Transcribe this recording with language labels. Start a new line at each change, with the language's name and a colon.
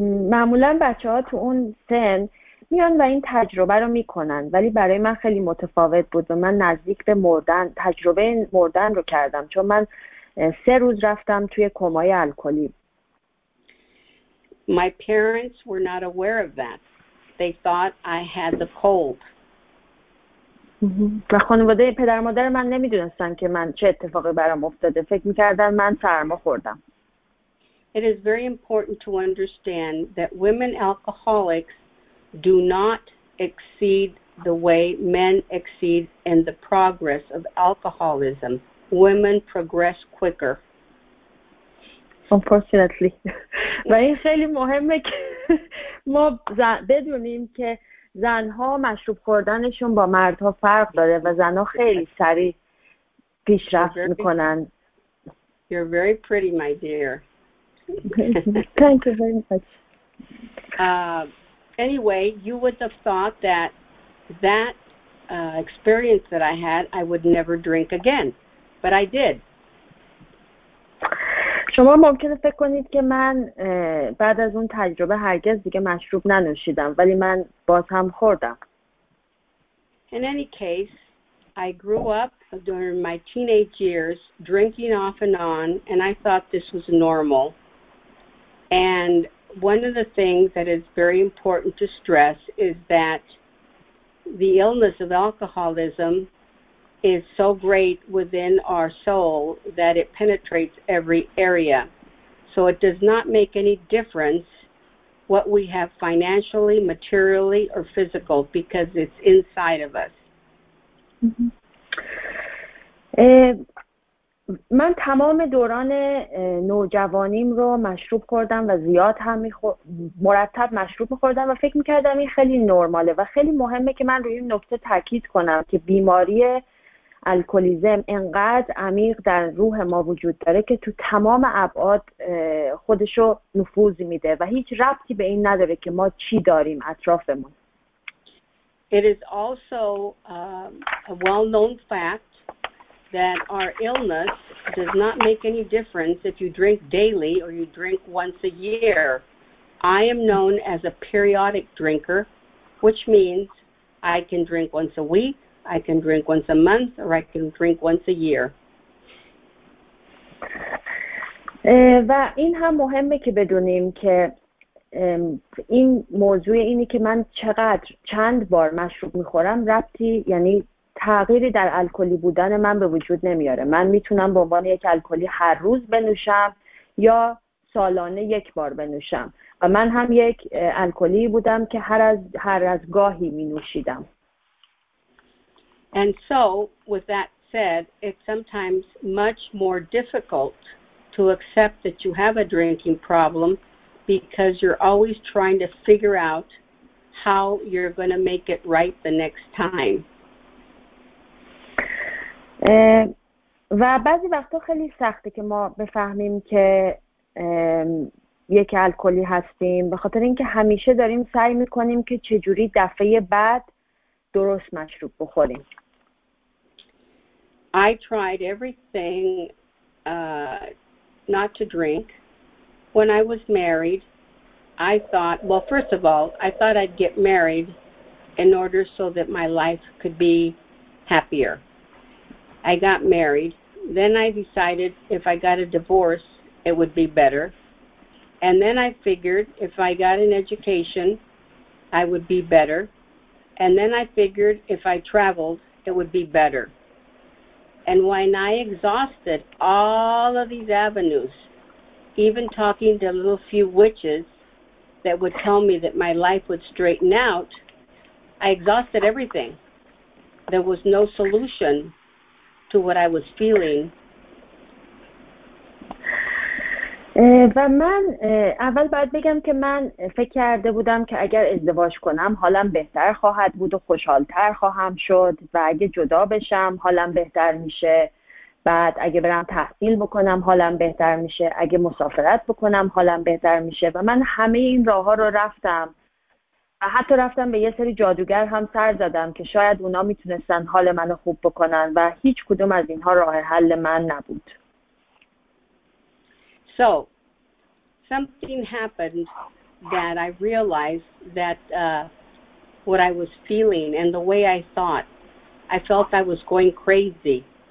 Persian: معمولا بچه ها تو اون سن میان و این تجربه رو میکنن، ولی برای من خیلی متفاوت بود و من نزدیک به مردن، تجربه مردن رو کردم، چون من 3 روز رفتم توی کمای الکلی.
English: My parents were not aware of that. They thought I had the cold.
Persian: و خانواده پدر مادر من نمیدونستن که من چه اتفاقی برام افتاده، فکر میکردن من سرما خوردم.
English: It is very important to understand that women alcoholics do not exceed the way men exceed in the progress of alcoholism. Women progress quicker. Unfortunately.
Persian: و این خیلی مهمه که ما بدونیم که زنها مشروب خوردنشون با مردها فرق داره و زنها خیلی سریع پیشرفت میکنن.
English: You're very pretty, my dear. Thank you very much. Anyway, you would have thought that experience that I had, I would never drink again. But I did.
Persian: شما ممکنه فکر کنید که من بعد از اون تجربه هرگز دیگه مشروب ننوشیدم، ولی من باز هم خوردم.
English: In any case, I grew up during my teenage years drinking off and on, and I thought this was normal. And one of the things that is very important to stress is that the illness of alcoholism is so great within our soul that it penetrates every area. So it does not make any difference what we have financially, materially, or physical because it's inside of us. Mm-hmm.
Persian: من تمام دوران نوجوانیم رو مشروب خوردم و زیاد هم مرتب مشروب می‌خوردم و فکر می‌کردم این خیلی نرماله و خیلی مهمه که من روی این نکته تاکید کنم که بیماری الکلیسم انقدر عمیق در روح ما وجود داره که تو تمام ابعاد خودشو نفوذ میده و هیچ ربطی به این نداره که ما چی داریم اطرافمون.
English: It is also a well-known fact that our illness does not make any difference if you drink daily or you drink once a year. I am known as a periodic drinker, which means I can drink once a week, I can drink once a month, or I can drink once a year.
Persian: و این هم مهمه که بدونیم که این موضوع اینی که من چقدر چند بار مشروب میخورم ربطی، یعنی تغییری در الکلی بودن من به وجود نمیاره. من میتونم به عنوان یک الکلی هر روز بنوشم یا سالانه یک بار بنوشم. و من هم یک الکلی بودم که هر از گاهی مینوشیدم.
English: And so, with that said, it's sometimes much more difficult to accept that you have a drinking problem because you're always trying to figure out how you're going to make it right the next time.
Persian: و بعضی وقتا خیلی سخته که ما بفهمیم که یک الکلی هستیم، به خاطر اینکه همیشه داریم سعی میکنیم که چجوری دفعه بعد درست مشروب بخوریم.
English: I tried everything not to drink. When I was married, I thought, well, first of all, I thought I'd get married in order so that my life could be happier. I got married. Then I decided if I got a divorce, it would be better. And then I figured if I got an education, I would be better. And then I figured if I traveled, it would be better. And when I exhausted all of these avenues, even talking to a little few witches that would tell me that my life would straighten out, I exhausted everything. There was no solution to what I was feeling.
Persian: و من اول باید بگم که من فکر کرده بودم که اگر ازدواج کنم حالم بهتر خواهد بود و خوشحالتر خواهم شد و اگه جدا بشم حالم بهتر میشه، بعد اگه برم تحصیل بکنم حالم بهتر میشه، اگه مسافرت بکنم حالم بهتر میشه و من همه این راه ها رو رفتم و حتی رفتم به یه سری جادوگر هم سر زدم که شاید اونا میتونستن حال منو خوب بکنن و هیچ کدوم از اینها راه حل من نبود.
English: So, something happened that I realized that what I was feeling and the way I thought, I felt I was going crazy.